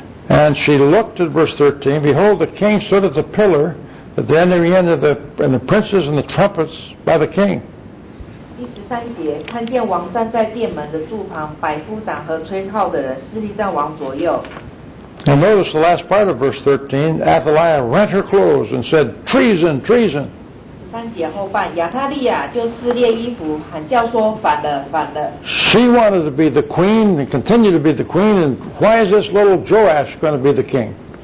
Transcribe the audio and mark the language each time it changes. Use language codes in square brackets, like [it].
[en] And she looked at verse 13. Behold, the king stood at the pillar at the entering end of the, and the princes and the trumpets by the king. [zh] 第十三节，看见王站在殿门的柱旁，百夫长和吹号的人侍立在王左右。 [en] And notice the last part of verse 13, Athaliah rent her clothes and said, treason, treason. [zh] 13节后半，亚塔利亚就撕裂衣服，喊叫说，反了，反了。 [en] She wanted to be the queen and continue to be the queen, and why is this little Joash going to be the king?